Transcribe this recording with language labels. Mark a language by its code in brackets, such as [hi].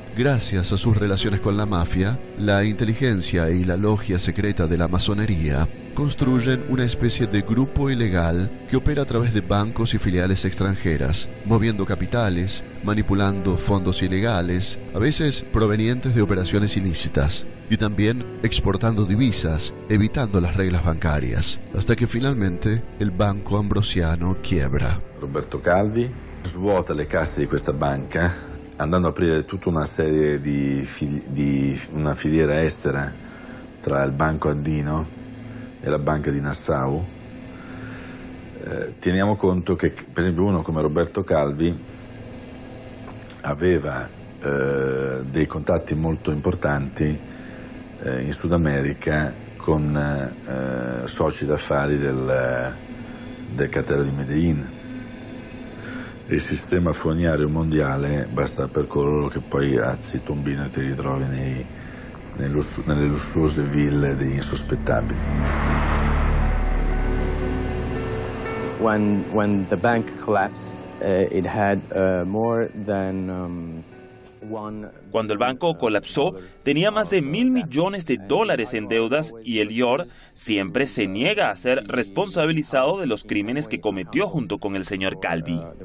[es] Gracias a sus relaciones con la mafia, la inteligencia y la logia secreta de la masonería, construyen una especie de grupo ilegal que opera a través de bancos y filiales extranjeras, moviendo capitales, manipulando fondos ilegales, a veces provenientes de operaciones ilícitas, y también exportando divisas, evitando las reglas bancarias, hasta que finalmente el Banco Ambrosiano quiebra. [it] Roberto Calvi svuota le casse di questa banca, andando a aprire tutta una serie di una filiera estera tra il Banco Andino e la Banca di Nassau. Teniamo conto che, per esempio, uno come Roberto Calvi aveva dei contatti molto importanti in Sud America con soci d'affari del cartello di Medellin. Il sistema fognario mondiale basta per coloro che poi alzi tombino e ti ritrovi nelle lussuose ville degli insospettabili. [en] when the bank collapsed, it had more than [es] Cuando el banco colapsó, tenía más de $1,000 millones en deudas y el IOR siempre se niega a ser responsabilizado de los crímenes que cometió junto con el señor Calvi.